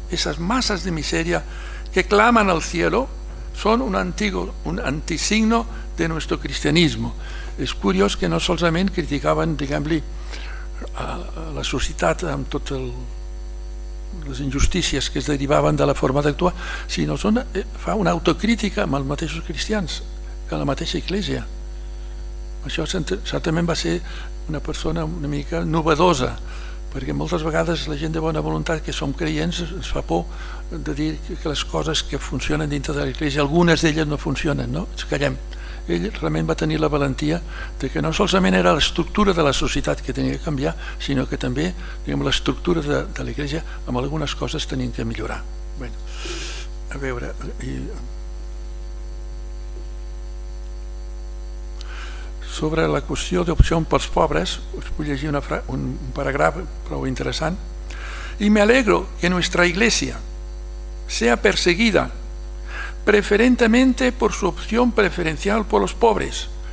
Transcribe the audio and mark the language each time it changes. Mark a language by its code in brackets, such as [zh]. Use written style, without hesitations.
[es] Esas masas de miseria que claman al cielo son un antisigno de nuestro cristianismo. Es curioso que no solamente criticaban, digamos, a la sociedad con todas las injusticias que se derivaban de la forma de actuar, sino son fa una autocrítica con los mismos cristianos, que [ca] la mateixa [es] Iglesia. [ca] Això certament va ser una persona una mica novedosa, perquè moltes vegades la gent de bona voluntat que som creients ens fa por de dir que les coses que funcionen dintre de l'Iglesia, algunes d'elles no funcionen, no? Ens callem. Ell realment va tenir la valentia de que no solament era l'estructura de la societat que tenia que canviar, sinó que també l'estructura de l'Iglesia amb algunes coses tenim que millorar. Bueno, a veure... Sobre la qüestió d'opció pels pobres, us vull llegir un paràgraf prou interessant. [es] Y me alegro que nuestra iglesia sea perseguida preferentemente por su opción preferencial por los pobres.